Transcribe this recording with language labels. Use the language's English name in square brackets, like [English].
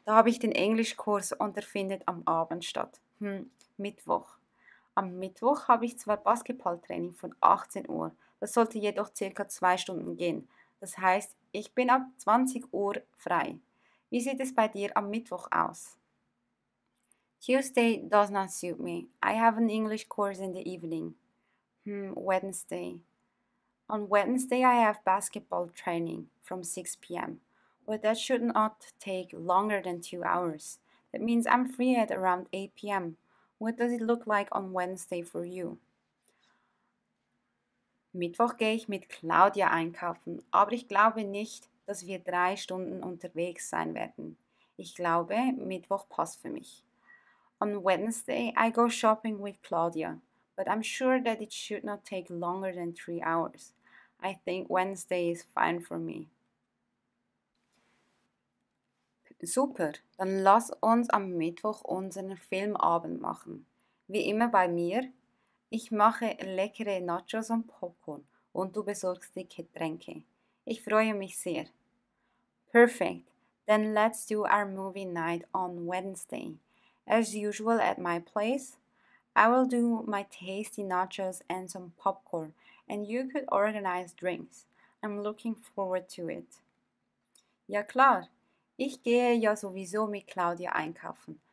[German] Da habe ich den Englischkurs und der findet am Abend statt. Mittwoch. Am Mittwoch habe ich zwar Basketballtraining von 18 Uhr, das sollte jedoch ca. 2 Stunden gehen. Das heißt, ich bin ab 20 Uhr frei. Wie sieht es bei dir am Mittwoch aus? [English] Tuesday does not suit me. I have an English course in the evening. Wednesday. On Wednesday I have basketball training from 6 p.m. But that should not take longer than 2 hours. That means I'm free at around 8 p.m. What does it look like on Wednesday for you? [German] Mittwoch gehe ich mit Claudia einkaufen, aber ich glaube nicht, dass wir 3 Stunden unterwegs sein werden. Ich glaube, Mittwoch passt für mich. [English] On Wednesday, I go shopping with Claudia, but I'm sure that it should not take longer than 3 hours. I think Wednesday is fine for me. [German] Super, dann lass uns am Mittwoch unseren Filmabend machen. Wie immer bei mir, ich mache leckere Nachos und Popcorn und du besorgst die Getränke. Ich freue mich sehr. [English] Perfect, then let's do our movie night on Wednesday. As usual at my place, I will do my tasty nachos and some popcorn, and you could organize drinks. I'm looking forward to it. [German] Ja klar, ich gehe ja sowieso mit Claudia einkaufen.